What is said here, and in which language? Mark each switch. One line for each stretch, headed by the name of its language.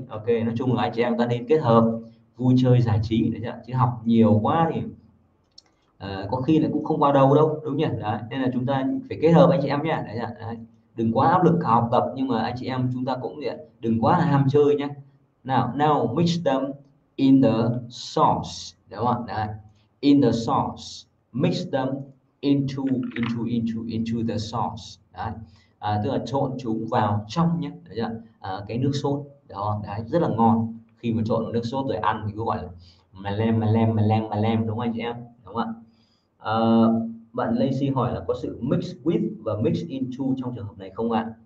Vietnamese: Ok, nói chung là anh chị em ta nên kết hợp vui chơi giải trí đấy nhá, chứ học nhiều quá thì có khi là cũng không qua đầu đâu, đúng nhỉ? Đấy, nên là chúng ta phải kết hợp anh chị em nhá. Đấy, đấy. Đừng quá áp lực học tập, nhưng mà anh chị em chúng ta cũng vậy, đừng quá là ham chơi nhé. Nào,
English: now mix them in the sauce,
Vietnamese: đúng không? Đấy.
English: In the sauce, mix them into the sauce.
Vietnamese: Đấy. À, tức là trộn chúng vào trong nhé, đấy chưa? À, cái nước sốt, đó, đấy, rất là ngon. Khi mà trộn nước sốt rồi ăn thì cứ gọi là mà lem, đúng không anh chị em? Đúng không ạ? Bạn Lacey hỏi là có sự mix with và mix into trong trường hợp này không ạ?